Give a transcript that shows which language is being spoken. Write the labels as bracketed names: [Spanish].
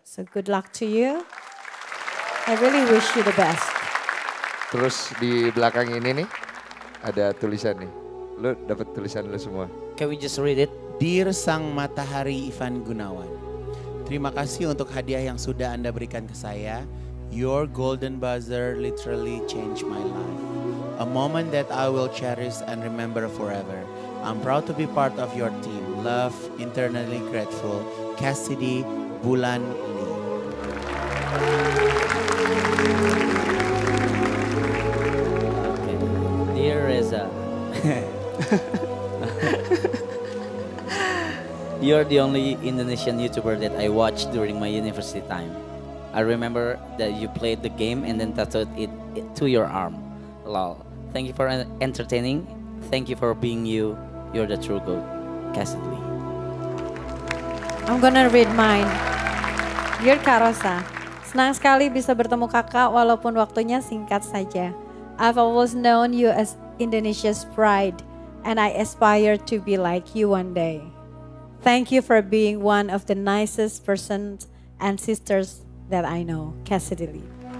[English] So good luck to you. I really wish you the best. [Indonesian] Terus di belakang ini nih ada tulisan nih. Lu dapat tulisan lu semua. [English] Can we just read it? Dear Sang Matahari Ivan Gunawan. [Indonesian] Terima kasih untuk hadiah yang sudah Anda berikan ke saya. [English] Your golden buzzer literally changed my life. A moment that I will cherish and remember forever. I'm proud to be part of your team. Love, internally grateful. Cassidy Bulan Lee. Okay. Dear Reza. You're the only Indonesian YouTuber that I watched during my university time. I remember that you played the game and then tattooed it to your arm. Lol. Thank you for entertaining. Thank you for being you. You're the true goat, Cassidy. I'm gonna read mine. [Indonesian] Dear Karosa, senang sekali bisa bertemu kakak walaupun waktunya singkat saja. [English] I've always known you as Indonesia's pride and I aspire to be like you one day. Thank you for being one of the nicest persons and sisters that I know, Cassidy Lee.